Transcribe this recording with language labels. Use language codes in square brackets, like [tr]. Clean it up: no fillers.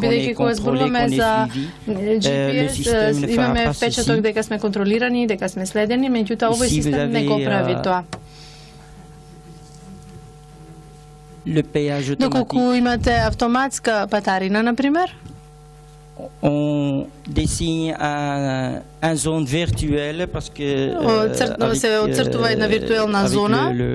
[mk] бидејќи кога зборуваме за GPS, имаме впечаток дека сме контролирани, дека сме следени, меѓутоа овој систем не го прави тоа. [fr] Le péage automatique. [mk] Доколку имате автоматска патарина, например? [fr] On dessine un zone virtuelle parce que [mk] оцртува една виртуелна зона.